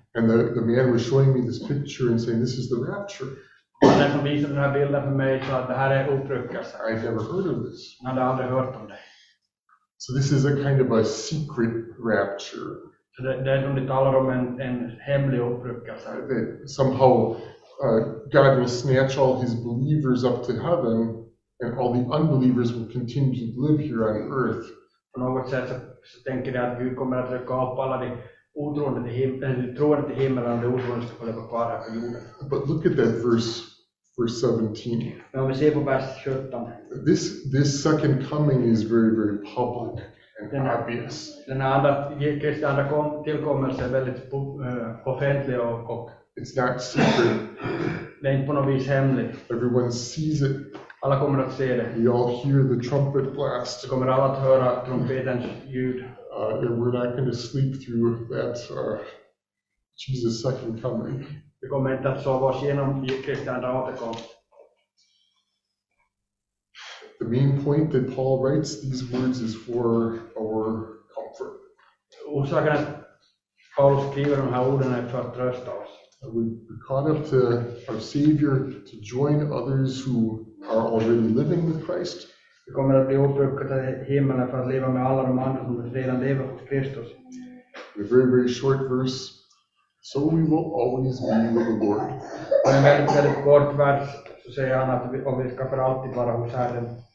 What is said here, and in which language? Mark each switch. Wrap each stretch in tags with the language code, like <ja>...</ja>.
<en>And the man was showing me this picture and saying, "This is the rapture."</en> <sv>Och den som visade den här bilden för mig sa att det här är uppryckas.</sv> <en>I've never heard of this.</en> <sv>Jag hade aldrig hört om det.</sv> <en>So this is a kind of a secret rapture.</en> <sv>Så det är som de talar om en hemlig uppryckas.</sv> <en>Somehow God will snatch all his believers up to heaven and all the unbelievers will continue to live here on earth.</en> <sv>På något sätt så tänker jag att Gud kommer att räcka upp alla de otroende till himlen, eller troende till himlen, och det otroende ska leva kvar här på jorden.</sv> <en>But look at that verse 17.</en> <sv>Men om vi ser på vers 17.</sv> <en>This second coming is very, very public and obvious.</en> <sv>Den andra, Kristi andra tillkommelse är väldigt offentlig och</sv> <en>it's not secret.</en> <sv>Det är inte på något vis hemligt.</sv> <en>Everyone sees it.</en> <sv>Alla kommer att se det.</sv> <en>We all hear the trumpet blast.</en> <sv>Vi kommer alla att höra trumpetens ljud.</sv> <en>And we're not going to sleep through that Jesus' second coming.</en> <sv>Vi kommer inte att sova oss igenom Kristi andra återkomst.</sv> <en>The main point that Paul writes these words is for our comfort.</en> <sv>Orsaken att Paul skriver de här orden är för att trösta oss.</sv> <en>We're caught up to our Savior to join others who are already living with Christ.</en> <sv>Vi kommer att bli uppryckade till himlen för att leva med alla de andra som redan lever hos Kristus.</sv> <en>A very, very short verse. So we will always be with the Lord.</en> <sv>Och en väldigt, väldigt kort vers så säger han att vi ska för alltid vara hos Herren.</sv>